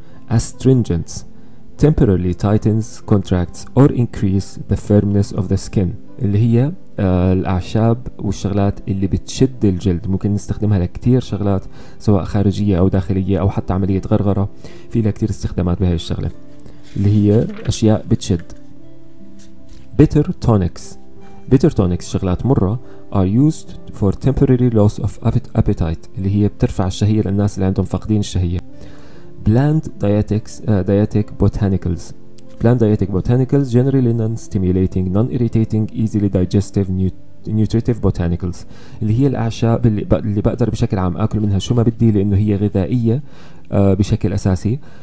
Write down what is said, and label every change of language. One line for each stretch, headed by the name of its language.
English: astringents temporarily tightens contracts or increase the firmness of the skin،
Arabic: اللي هي الاعشاب والشغلات اللي بتشد الجلد، ممكن نستخدمها لكتير شغلات سواء خارجيه او داخليه او حتى عمليه غرغره، في لها كتير استخدامات بهاي الشغله اللي هي اشياء بتشد.
English: bitter tonics bitter tonics
Arabic: شغلات مره
English: are used for temporary loss of appetite،
Arabic: اللي هي بترفع الشهيه للناس اللي عندهم فقدين الشهيه.
English: Bland dietics, dietic botanicals. Bland dietic botanicals generally non-stimulating, non-irritating, easily digestive, nutritive botanicals.
Arabic: اللي هي الأعشاب اللي بقدر بشكل عام أكل منها شو ما بدي لأنه هي غذائية بشكل أساسي.